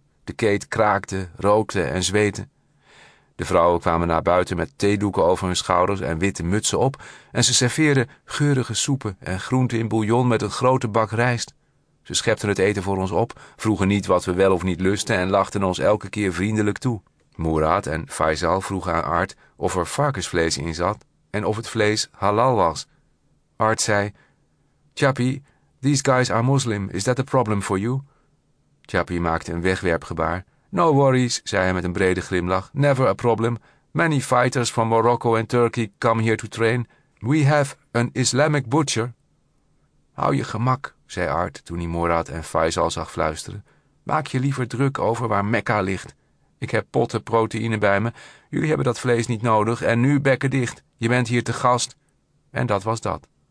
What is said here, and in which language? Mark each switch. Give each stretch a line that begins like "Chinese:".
Dutch: De keet kraakte, rookte en zweette. De vrouwen kwamen naar buiten met theedoeken over hun schouders en witte mutsen op en ze serveerden geurige soepen en groenten in bouillon met een grote bak rijst. Ze schepten het eten voor ons op, vroegen niet wat we wel of niet lusten en lachten ons elke keer vriendelijk toe. Murad en Faisal vroegen aan Art of er varkensvlees in zat en of het vlees halal was.
English: Art zei, Chappie, these guys are Muslim, is that a problem for you?
Dutch: Chappie maakte een wegwerpgebaar.
English: No worries,
Dutch: zei hij met een brede glimlach.
English: Never a problem. Many fighters from Morocco and Turkey come here to train. We have an Islamic butcher.
Dutch: Hou je gemak, zei Art toen hij Murad en Faisal zag fluisteren. Maak je liever druk over waar Mekka ligt. Ik heb potten proteïne bij me. Jullie hebben dat vlees niet nodig en nu bekken dicht. Je bent hier te gast. En dat was dat.